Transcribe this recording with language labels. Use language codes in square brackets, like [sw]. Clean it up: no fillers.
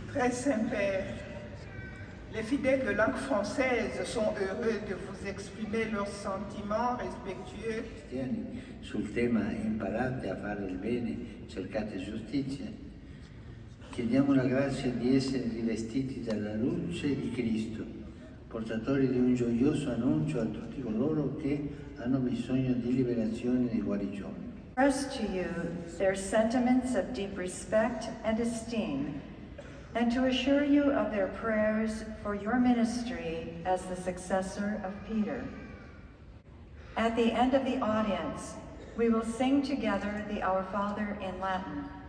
[fr] Saint-Père, les fidèles de langue française sont heureux de vous exprimer leurs sentiments respectueux. [it] Cristiani, sul tema imparate a fare il bene, cercate giustizia. Chiediamo la grazia di essere rivestiti dalla luce di Cristo, portatori di un gioioso annuncio a tutti coloro che hanno bisogno di liberazione e di guarigione. [en] Express to you their sentiments of deep respect and esteem, and to assure you of their prayers for your ministry as the successor of Peter. At the end of the audience, we will sing together the Our Father in Latin.